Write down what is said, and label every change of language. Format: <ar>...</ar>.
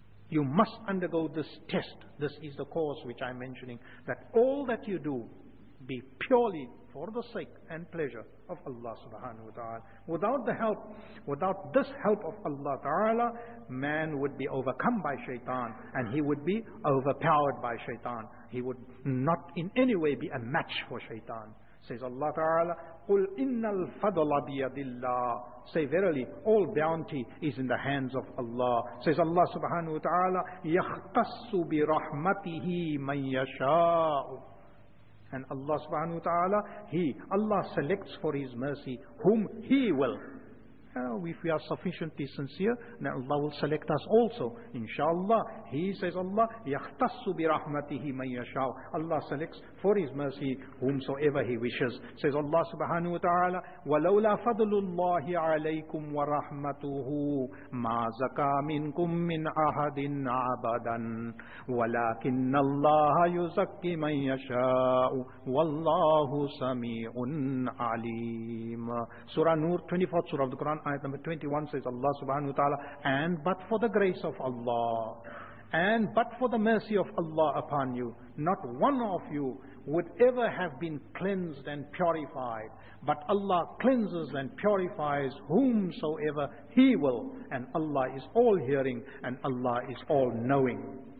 <en>You must undergo this test. This is the course which I'm mentioning, that all that you do be purely for the sake and pleasure of Allah subhanahu wa ta'ala. Without the help, without this help of Allah ta'ala, man would be overcome by shaitan and he would be overpowered by shaitan. He would not in any way be a match for shaitan.</en> <ar>Says Allah ta'ala, قُلْ إِنَّ الْفَضْلَ بِيَدِ اللَّهِ.</ar> <en>Say verily, all bounty is in the hands of Allah.</en> <ar>Says Allah subhanahu wa ta'ala, يَخْتَصُّ بِرَحْمَتِهِ مَنْ يَشَاءُ.</ar> <en>And Allah subhanahu wa ta'ala, Allah selects for His mercy whom He will. If we are sufficiently sincere, then Allah will select us also.</en> <ar>Inshallah, He says Allah, يَخْتَصُّ بِرَحْمَتِهِ مَنْ يَشَاءُ.</ar> <en>Allah selects for His mercy whomsoever He wishes.</en> <ar>Says Allah subhanahu wa ta'ala, وَلَوْلَا فَضْلُ اللَّهِ عَلَيْكُمْ وَرَحْمَتُهُ مَا زَكَى مِنْكُمْ مِنْ أَحَدٍ عَبَدًا وَلَكِنَّ اللَّهَ يُزَكِّي مَنْ يَشَاءُ وَاللَّهُ سَمِيعٌ عَلِيمٌ.</ar> <en>Surah Nur, 24th Surah of the Quran, ayat number 21, says Allah subhanahu wa ta'ala, and but for the grace of Allah, and but for the mercy of Allah upon you, not one of you would ever have been cleansed and purified. But Allah cleanses and purifies whomsoever He will, and Allah is all hearing and Allah is all knowing.</en>